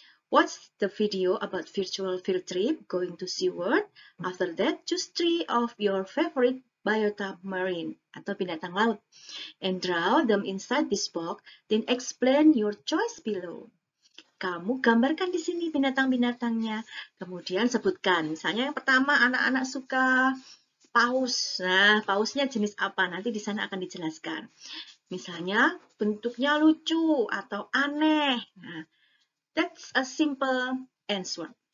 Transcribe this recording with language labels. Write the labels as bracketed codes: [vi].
[en] Watch the video about virtual field trip going to SeaWorld. After that, choose three of your favorite biota marine [id] atau binatang laut. [en] And draw them inside this box, then explain your choice below. [id] Kamu gambarkan di sini binatang-binatangnya, kemudian sebutkan. Misalnya yang pertama anak-anak suka paus. Nah, pausnya jenis apa? Nanti di sana akan dijelaskan. Misalnya bentuknya lucu atau aneh. [en] Nah, that's a simple answer.